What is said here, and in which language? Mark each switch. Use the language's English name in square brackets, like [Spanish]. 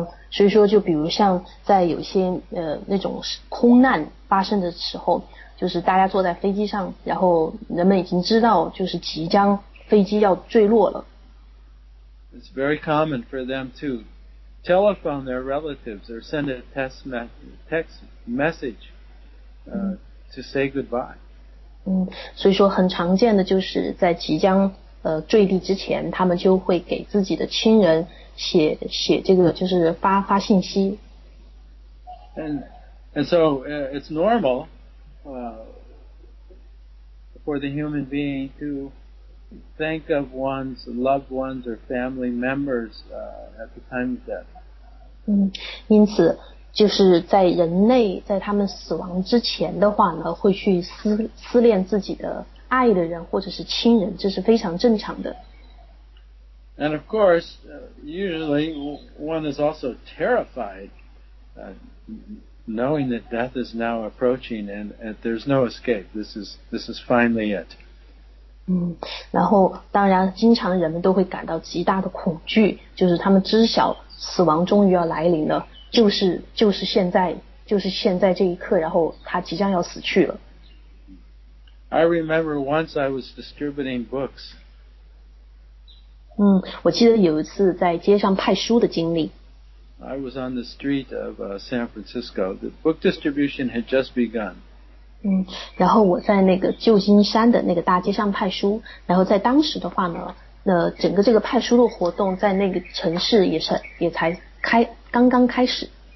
[Chinese] 所以说就比如像在有些那种空难发生的时候，就是大家坐在飞机上，然后人们已经知道就是即将飞机要坠落了。 [English] It's very common for them to telephone their relatives or send a text message to say goodbye. [Chinese] 所以说很常见的就是在即将坠地之前，他们就会给自己的亲人写这个，就是发信息。 [English] And so it's normal for the human being to think of one's loved ones or family members at the time of death. [Chinese] 因此就是在人类在他们死亡之前的话呢，会去思念自己的爱的人或者是亲人，这是非常正常的。 [English] And of course, usually one is also terrified, knowing that death is now approaching and there's no escape. This is finally it. [Chinese] 然后当然经常人们都会感到极大的恐惧，就是他们知晓死亡终于要来临了，就是现在这一刻，然后他即将要死去了。 [English] I remember once I was distributing books. [Chinese] 我记得有一次在街上派书的经历。 [English] I was on the street of San Francisco. The book distribution had just begun. [Chinese] 然后我在那个旧金山的那个大街上派书，然后在当时的话呢，那整个这个派书的活动在那个城市也才刚刚开始。